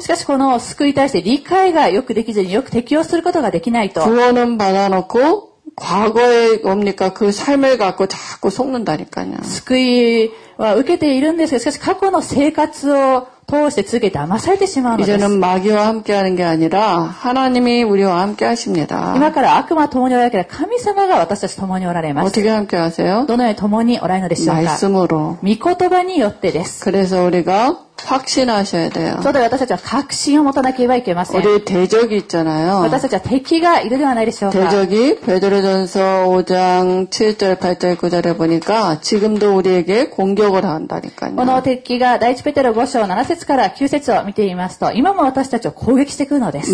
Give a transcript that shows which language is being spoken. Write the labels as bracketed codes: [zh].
[ja] しかしこの救いに対して理解がよくできずによく適用することができないと [ko] 구원은받아놓고과거에뭡니까그삶을갖고자꾸속는다니까요 [ja] 救いは受けているんですがしかし過去の生活を通して続けて騙されてしまうのです [ko] 이제는마귀와함께하는게아니라하나님이우리와함께하십니다 [ja] 今から悪魔ともにおられる神様が私たちともにおられます [ko] 어떻게함께하세요 [ja] どのようにともにおられるのでしょうか [ko] 말씀으로 [ja] 御言葉によってです [ko] 그래서우리가확신하셔야돼요 [ja] そうだ私たちは確信を持たなければいけません [ko] 우리대적이있잖아요 [ja] 私たちは敵がいるではないでしょうか [ko] 대적이베드로전서5장7절8절9절에보니까지금도우리에게공격을한다니까요 [ja] この敵が第一ペテロ5章7節から9節を見てみますと今も私たちを攻撃してくるのです